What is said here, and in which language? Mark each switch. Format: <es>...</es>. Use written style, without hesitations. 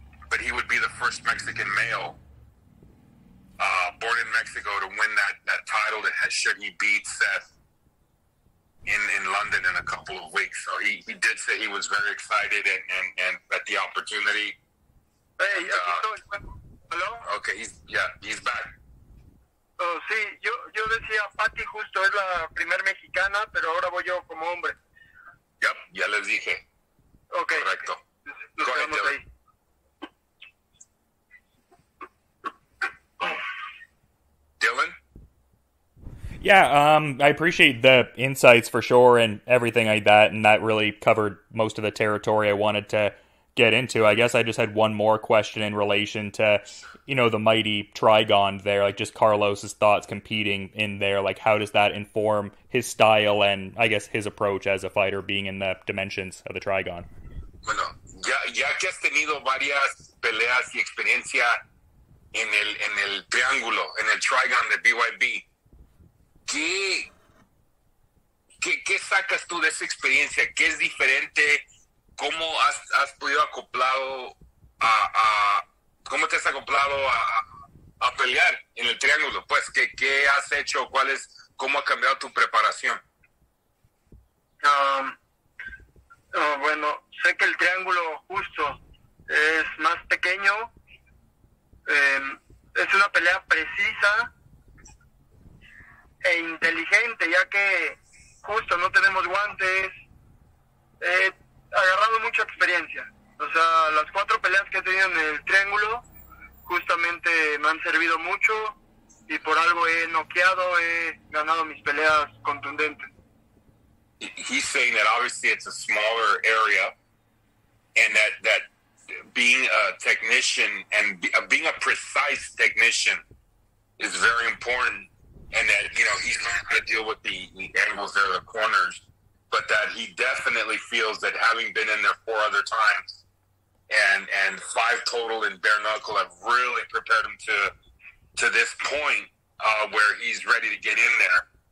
<en>But he would be the first Mexican male born in Mexico to win that title that has, should he beat Seth in London in a couple of weeks. So he did say he was very excited and at the opportunity. Hey, hello? Okay, he's back.</en> <es>Oh, sí, yo decía Patty justo es la primer mexicana, pero ahora voy yo como hombre. Yep, ya les dije. Okay. Correcto. Nos quedamos ahí. Dylan?</es> <en>Yeah, I appreciate the insights for sure and everything like that, and that really covered most of the territory I wanted to get into. I guess I just had one more question in relation to, you know, the mighty Trigon there, like just Carlos's thoughts competing in there. Like, how does that inform his style and, I guess, his approach as a fighter being in the dimensions of the Trigon?</en> <es>Bueno, ya que has tenido varias peleas y experiencia en el triángulo, en el trigon de BYB, ¿qué sacas tú de esa experiencia? ¿Qué es diferente? ¿Cómo has podido acoplado a cómo te has acoplado a pelear en el triángulo? Pues, ¿qué has hecho? ¿Cuál es, cómo ha cambiado tu preparación? Bueno, sé que el triángulo justo es más pequeño. Es una pelea precisa e inteligente, ya que justo no tenemos guantes. He agarrado mucha experiencia. O sea, las cuatro peleas que he tenido en el triángulo justamente me han servido mucho y por algo he noqueado, he ganado mis peleas contundentes.</es> <en>He's saying that obviously it's a smaller area and that being a technician and being a precise technician is very important, and that, you know, he's not going to deal with the angles there, the corners, but that he definitely feels that having been in there four other times and five total in bare knuckle have really prepared him to this point where he's ready to get in there.</en>